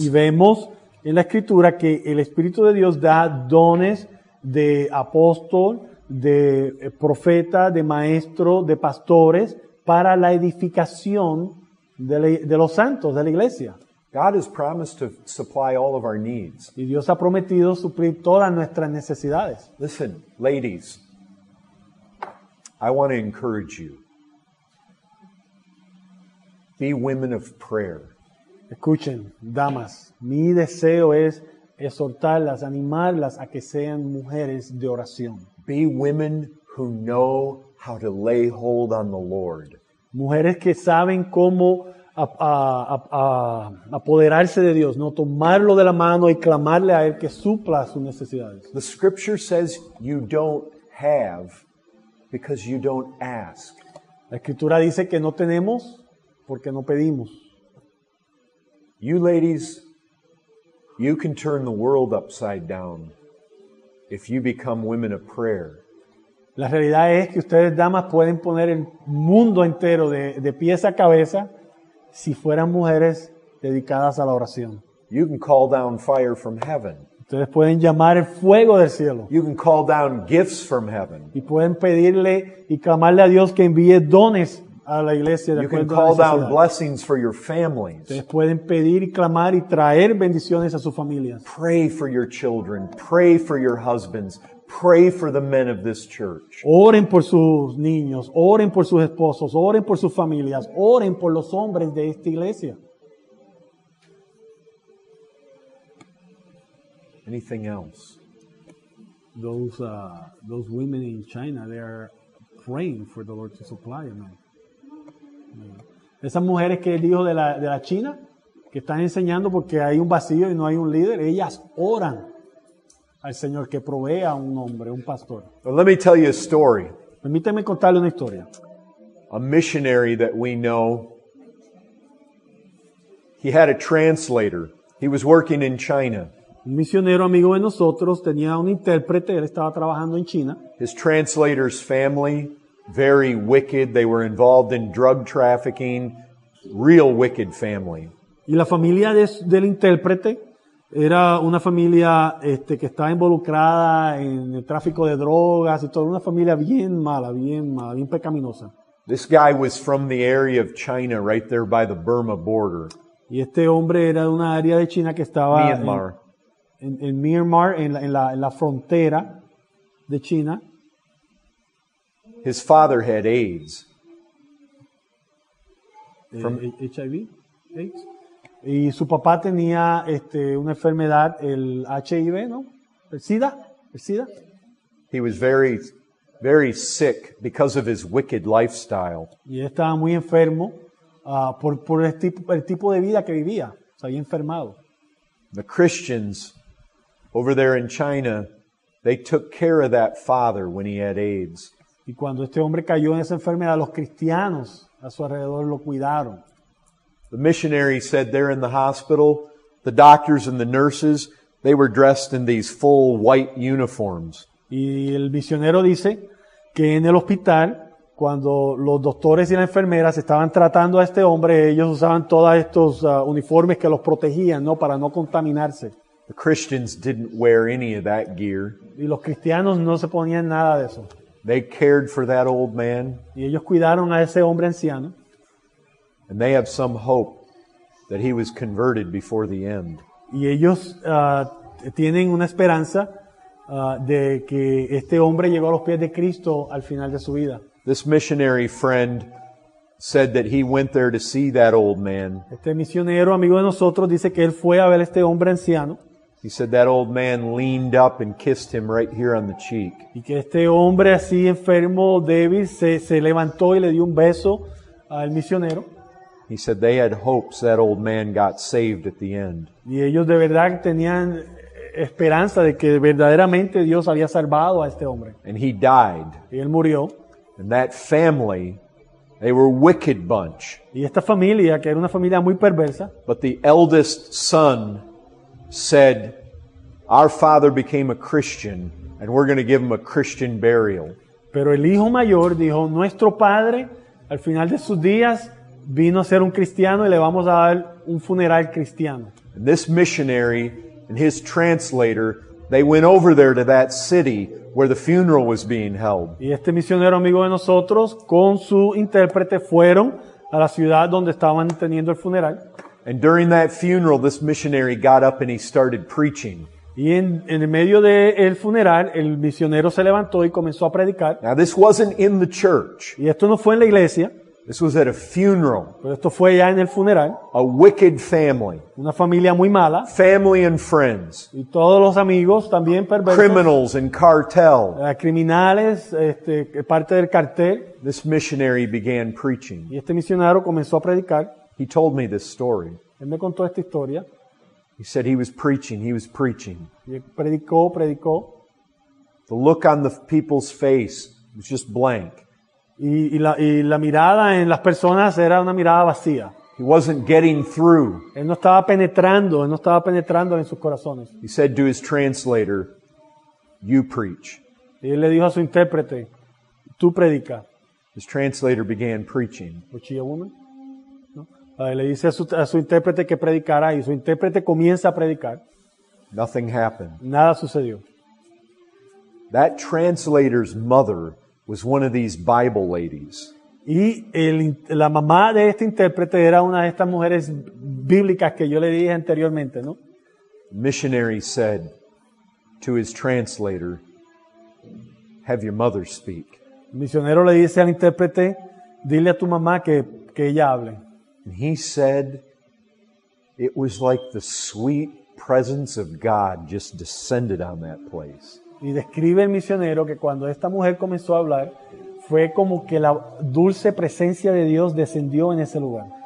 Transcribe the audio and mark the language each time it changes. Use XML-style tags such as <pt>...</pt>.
<es>Y vemos en la Escritura que el Espíritu de Dios da dones de apóstol, de profeta, de maestro, de pastores para la edificación de los santos, de la iglesia.</es> <en>God has promised to supply all of our needs.</en> <es>Y Dios ha prometido suplir todas nuestras necesidades.</es> <en>Listen, ladies, I want to encourage you. Be women of prayer.</en> <es>Escuchen, damas, mi deseo es exhortarlas, animarlas a que sean mujeres de oración.</es> <en>Be women who know how to lay hold on the Lord.</en> <es>Mujeres que saben cómo apoderarse de Dios, no tomarlo de la mano y clamarle a Él que supla sus necesidades.</es> <en>The scripture says you don't have because you don't ask.</en> <es>La Escritura dice que no tenemos porque no pedimos.</es> <en>You ladies, you can turn the world upside down if you become women of prayer.</en> <es>La realidad es que ustedes, damas, pueden poner el mundo entero de pies a cabeza si fueran mujeres dedicadas a la oración.</es> <en>You can call down fire from heaven.</en> <es>Ustedes pueden llamar el fuego del cielo.</es> <en>You can call down gifts from heaven.</en> <es>Y pueden pedirle y clamarle a Dios que envíe dones a la iglesia.</es> <en>You can call down blessings for your families.</en> <es>Ustedes pueden pedir y clamar y traer bendiciones a sus familias.</es> <en>Pray for your children. Pray for your husbands. Pray for the men of this church.</en> <es>Oren por sus niños. Oren por sus esposos. Oren por sus familias. Oren por los hombres de esta iglesia.</es> <en>Anything else? Those women in China, they are praying for the Lord to supply them.</en> <es>Esas mujeres que él dijo de la China, que están enseñando porque hay un vacío y no hay un líder, ellas oran al Señor que provee a un hombre, un pastor.</es> <en>Well, let me tell you a story.</en> <es>Permíteme contarle una historia.</es> <en>A missionary that we know, he had a translator. He was working in China.</en> <es>Un misionero amigo de nosotros tenía un intérprete, él estaba trabajando en China.</es> <en>His translator's family, very wicked. They were involved in drug trafficking. Real wicked family.</en> <es>Y la familia del intérprete era una familia que estaba involucrada en el tráfico de drogas y toda una familia bien mala, bien mala, bien pecaminosa.</es> <en>This guy was from the area of China right there by the Burma border.</en> <es>Y este hombre era de una área de China que estaba</es> <en>Myanmar.</en> <es>En Myanmar, en la frontera de China.</es> <en>His father had AIDS. HIV? AIDS?</en> <es>Y su papá tenía una enfermedad, el HIV, ¿no? ¿El SIDA?</es> <en>He was very, very sick because of his wicked lifestyle.</en> <es>Y estaba muy enfermo por el tipo de vida que vivía. O sea, había enfermado.</es> <en>The Christians over there in China, they took care of that father when he had AIDS.</en> <es>Y cuando este hombre cayó en esa enfermedad, los cristianos a su alrededor lo cuidaron.</es> <en>The missionary said there in the hospital, the doctors and the nurses, they were dressed in these full white uniforms.</en> <es>Y el misionero dice que en el hospital, cuando los doctores y las enfermeras estaban tratando a este hombre, ellos usaban todos estos uniformes que los protegían, ¿no? Para no contaminarse.</es> <en>The Christians didn't wear any of that gear.</en> <es>Y los cristianos no se ponían nada de eso.</es> <en>They cared for that old man.</en> <es>Y ellos cuidaron a ese hombre anciano.</es> <en>And they have some hope that he was converted before the end.</en> <es>Y ellos tienen una esperanza de que este hombre llegó a los pies de Cristo al final de su vida.</es> <en>This missionary friend said that he went there to see that old man.</en> <es>Este misionero amigo de nosotros dice que él fue a ver a este hombre anciano.</es> <en>He said that old man leaned up and kissed him right here on the cheek.</en> <es>Y que este hombre así enfermo, débil, se levantó y le dio un beso al misionero.</es> <en>He said they had hopes that old man got saved at the end.</en> <es>Y ellos de verdad tenían esperanza de que verdaderamente Dios había salvado a este hombre.</es> <en>And he died.</en> <es>Y él murió.</es> <en>And that family, they were a wicked bunch.</en> <es>Y esta familia, que era una familia muy perversa.</es> <en>But the eldest son said, our father became a Christian and we're going to give him a Christian burial.</en> <es>Pero el hijo mayor dijo, nuestro padre al final de sus días vino a ser un cristiano y le vamos a dar un funeral cristiano.</es> <en>And this missionary and his translator, they went over there to that city where the funeral was being held.</en> <es>Y este misionero amigo de nosotros con su intérprete fueron a la ciudad donde estaban teniendo el funeral.</es> <en>And during that funeral, this missionary got up and he started preaching.</en> <es>Y en el medio del funeral, el misionero se levantó y comenzó a predicar.</es> <en>Now this wasn't in the church.</en> <es>Y esto no fue en la iglesia.</es> <en>This was at a funeral.</en> <es>Pero esto fue ya en el funeral.</es> <en>A wicked family.</en> <es>Una familia muy mala.</es> <en>Family and friends.</en> <es>Y todos los amigos también perversos.</es> <en>Criminals and cartel.</en> <es>Criminales, parte del cartel.</es> <en>This missionary began preaching.</en> <es>Y este misionero comenzó a predicar.</es> <en>He told me this story.</en> <es>Él me contó esta historia.</es> <en>He said he was preaching, he was preaching.</en> <es>Y predicó, predicó.</es> <en>The look on the people's face was just blank.</en> <es>Y la mirada en las personas era una mirada vacía.</es> <en>He wasn't getting through.</en> <es>Él no estaba penetrando en sus corazones.</es> <en>He said to his translator, you preach.</en> <es>Y él le dijo a su intérprete, tú predica.</es> <en>His translator began preaching. Was she a woman? No.</en> <es>Le dice a su intérprete que predicara y su intérprete comienza a predicar.</es> <en>Nothing happened.</en> <es>Nada sucedió.</es> <en>That translator's mother was one of these Bible ladies.</en> <es>Y la mamá de este intérprete era una de estas mujeres bíblicas que yo le dije anteriormente, ¿no?</es> <en>Missionary said to his translator, "Have your mother speak."</en> <es>Misionero le dice al intérprete, "Dile a tu mamá que ella hable."</es> <en>And he said, "It was like the sweet presence of God just descended on that place."</en> <es>Y describe el misionero que cuando esta mujer comenzó a hablar, fue como que la dulce presencia de Dios descendió en ese lugar.</es>